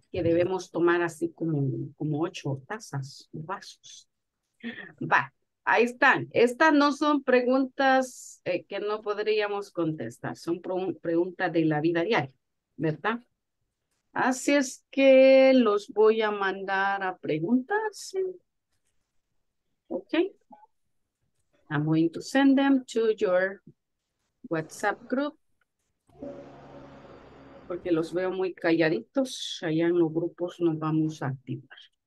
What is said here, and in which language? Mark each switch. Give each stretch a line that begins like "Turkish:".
Spanish: Que debemos tomar así como 8 tazas, vasos. Va. Ahí están. Estas no son preguntas que no podríamos contestar. Son preguntas de la vida diaria, ¿verdad? Así es que los voy a mandar a preguntas.
English: Ok. I'm going to send them to your WhatsApp group.
Spanish: Porque los veo muy calladitos. Allá en los grupos nos vamos a activar.